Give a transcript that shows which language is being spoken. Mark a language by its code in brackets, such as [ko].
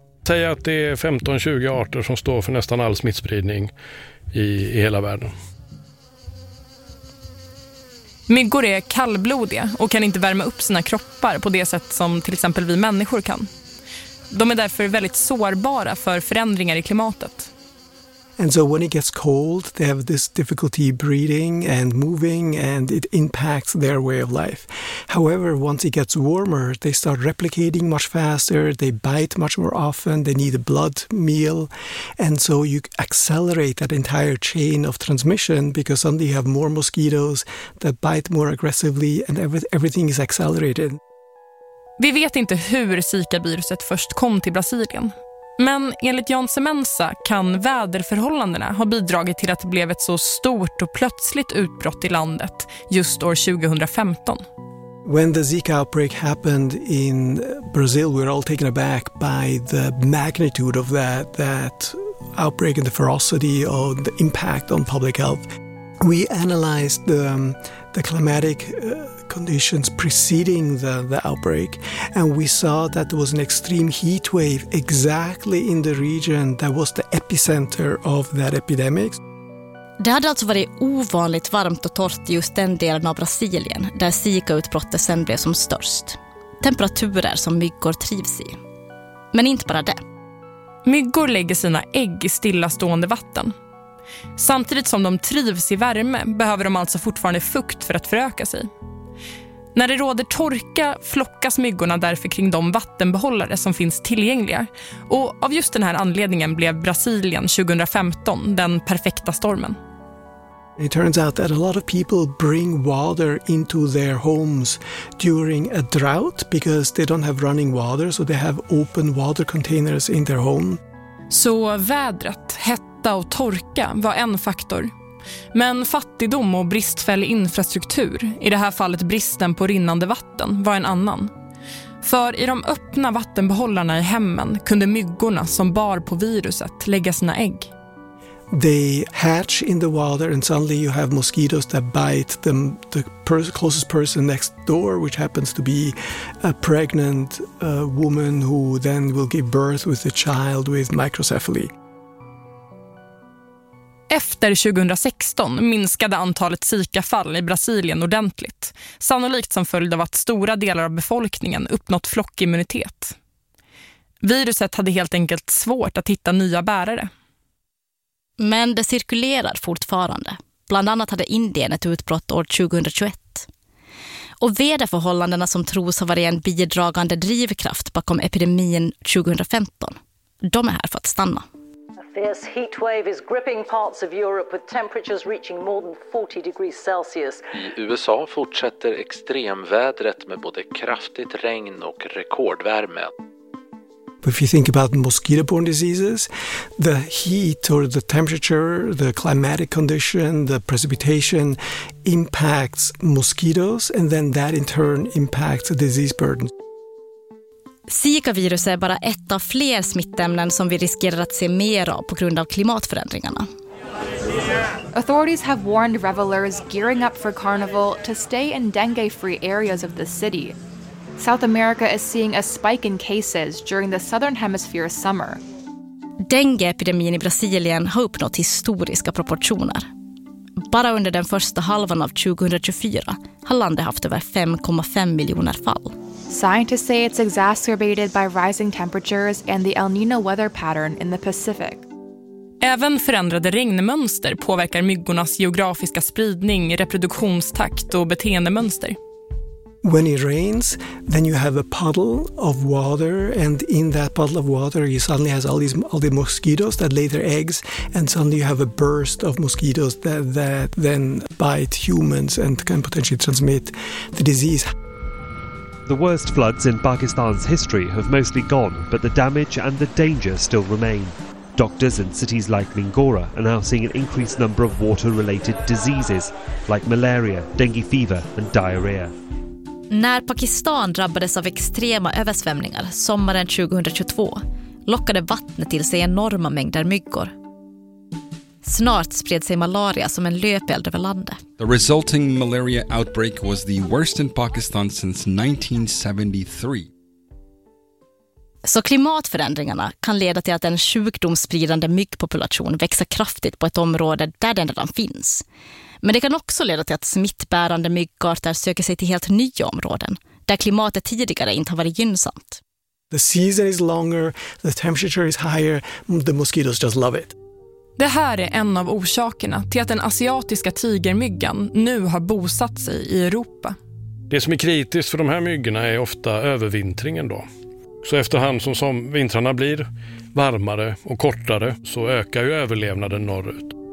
[sv] Säg att det är 15-20 arter som står för nästan all smittspridning i hela världen. Myggor är kallblodiga och kan inte värma upp sina kroppar på det sätt som till exempel vi människor kan. De är därför väldigt sårbara för förändringar i klimatet. [en] And so when it gets cold, they have this difficulty breathing and moving, and it impacts their way of life. However, once it gets warmer, they start replicating much faster, they bite much more often, they need a blood meal. And so you accelerate that entire chain of transmission because suddenly you have more mosquitoes that bite more aggressively and everything is accelerated. [sv] Vi vet inte hur Zika-viruset först kom till Brasilien. Men enligt Jan Semensa kan väderförhållandena ha bidragit till att det blev ett så stort och plötsligt utbrott i landet just år 2015. [en] When the Zika outbreak happened in Brazil, we were all taken aback by the magnitude of that outbreak and the ferocity of the impact on public health. We analyzed the climatic conditions preceding the outbreak, and we saw that there was an extreme heat wave exactly in the region that was the epicenter of that epidemic. [sv] Det hade alltså varit ovanligt varmt och torrt just den delen av Brasilien där Zika-utbrottet sen blev som störst. Temperaturer som myggor trivs i. Men inte bara det. Myggor lägger sina ägg i stillastående vatten. Samtidigt som de trivs i värme behöver de alltså fortfarande fukt för att föröka sig. När det råder torka flockas myggorna därför kring de vattenbehållare som finns tillgängliga. Och av just den här anledningen blev Brasilien 2015 den perfekta stormen. [en] It turns out that a lot of people bring water into their homes during a drought because they don't have running water, so they have open water containers in their home. [sv] Så vädret, hetta och torka var en faktor. Men fattigdom och bristfällig infrastruktur, i det här fallet bristen på rinnande vatten, var en annan. För i de öppna vattenbehållarna i hemmen kunde myggorna som bar på viruset lägga sina ägg. [en] They hatch in the water and suddenly you have mosquitoes that bite the closest person next door, which happens to be a pregnant woman who then will give birth with a child with microcephaly. [sv] Efter 2016 minskade antalet Zika-fall i Brasilien ordentligt, sannolikt som följd av att stora delar av befolkningen uppnått flockimmunitet. Viruset hade helt enkelt svårt att hitta nya bärare. Men det cirkulerar fortfarande. Bland annat hade Indien ett utbrott år 2021. Och väderförhållandena som tros ha varit en bidragande drivkraft bakom epidemin 2015, de är här för att stanna. [en] This heat wave is gripping parts of Europe with temperatures reaching more than 40 degrees Celsius. [sv] I USA fortsätter extremvädret med både kraftigt regn och rekordvärme. [en] If you think about mosquito-borne diseases, the heat or the temperature, the climatic condition, the precipitation impacts mosquitoes and then that in turn impacts the disease burden. [sv] Zika-virus är bara ett av fler smittämnen som vi riskerar att se mer av på grund av klimatförändringarna. [en] Authorities have warned revelers gearing up for carnival to stay in dengue-free areas of the city. South America is seeing a spike in cases during the Southern Hemisphere summer. [sv] Dengue-epidemin i Brasilien har uppnått historiska proportioner. Bara under den första halvan av 2024 har landet haft över 5,5 miljoner fall. [en] Scientists say it's exacerbated by rising temperatures and the El Nino weather pattern in the Pacific. [sv] Även förändrade regnmönster påverkar myggornas geografiska spridning, reproduktionstakt och beteendemönster. [en] When it rains, then you have a puddle of water, and in that puddle of water, you suddenly has all the mosquitoes that lay their eggs, and suddenly you have a burst of mosquitoes that then bite humans and can potentially transmit the disease. The worst floods in Pakistan's history have mostly gone, but the damage and the danger still remain. Doctors in cities like Lingora are now seeing an increased number of water-related diseases, like malaria, dengue fever, and diarrhea. [sv] När Pakistan drabbades av extrema översvämningar sommaren 2022 lockade vattnet till sig enorma mängder myggor. Snart spred sig malaria som en löpeld över landet. [en] The resulting malaria outbreak was the worst in Pakistan since 1973. [sv] Så klimatförändringarna kan leda till att en sjukdomsspridande myggpopulation växer kraftigt på ett område där den redan finns. Men det kan också leda till att smittbärande myggarter söker sig till helt nya områden där klimatet tidigare inte har varit gynnsamt. [en] The season is longer, the temperature is higher, the mosquitoes just love it. [sv] Det här är en av orsakerna till att den asiatiska tigermyggan nu har bosatt sig i Europa. Det som är kritiskt för de här myggorna är ofta övervintringen då. Så efterhand som vintrarna blir varmare och kortare så ökar ju överlevnaden norrut.